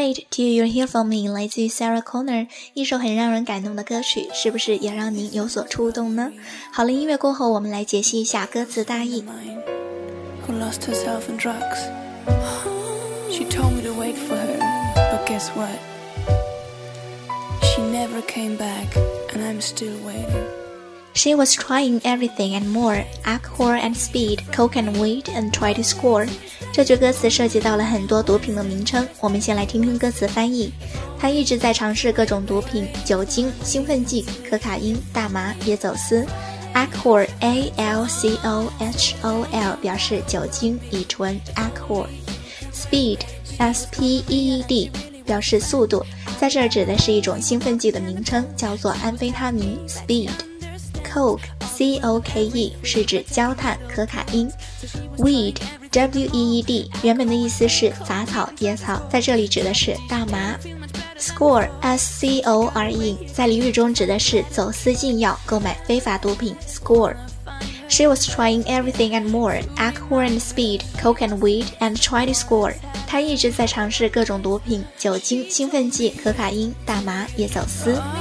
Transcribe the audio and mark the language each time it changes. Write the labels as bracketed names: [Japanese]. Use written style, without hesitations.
[Chinese] Till You're Here For Me 来自于 Sarah Connor， 一首很让人感动的歌曲，是不是也让您有所触动呢？好了，音乐过后我们来解析一下歌词大意。 [English] Who lost herself in drugs. She told me to wait for her, but guess what? She never came back and I'm still waiting. She was trying everything and more, alcohol and speed, coke and weed, and try to score. [Chinese] 这句歌词涉及到了很多毒品的名称，我们先来听听歌词翻译。她一直在尝试各种毒品，酒精、兴奋剂、可卡因、大麻、椰走私。 Alcohol, A-L-C-O-H-O-L, 表示酒精、乙醇 alcohol. Speed, S-P-E-E-D, 表示速度，在这儿指的是一种兴奋剂的名称，叫做安非他明 speed. Coke, C-O-K-E, 是指焦炭、可卡因。 Weed, W-E-E-D, 原本的意思是杂草、野草，在这里指的是大麻。 Score, S-C-O-R-E, 在俚语中指的是走私禁药、购买非法毒品。 [English] Score. She was trying everything and more, alcohol and speed, coke and weed, and tried to score. [Chinese] 她一直在尝试各种毒品、酒精、兴奋剂、可卡因、大麻、野走私。